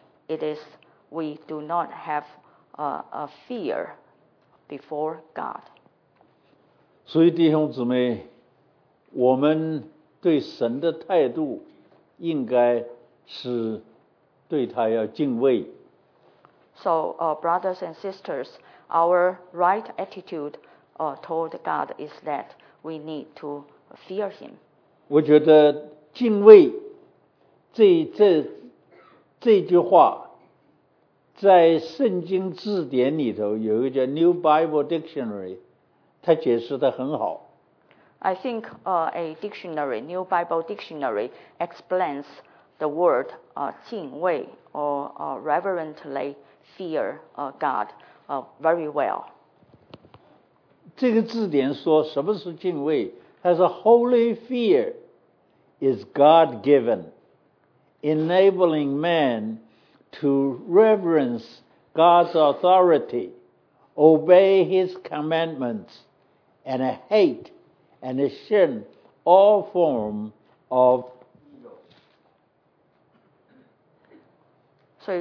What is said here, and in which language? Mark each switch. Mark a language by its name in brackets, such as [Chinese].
[English] It is we do not have a fear before God. [Chinese] 所以弟兄姊妹，我们对神的态度应该是对他要敬畏。 [English] So, brothers and sisters, our right attitude toward God is that we need to fear Him. [Chinese] 我觉得敬畏这句话在圣经字典里头有一个叫 New Bible Dictionary， 它解释得很好。 [English] I think a dictionary, New Bible Dictionary, explains the word 敬畏 or reverently fear God very well. [Chinese] 这个字典说什么是敬畏？它说 [English] Holy fear is God-given, enabling man to reverence God's authority, obey His commandments, and hateAnd shun all form of evil.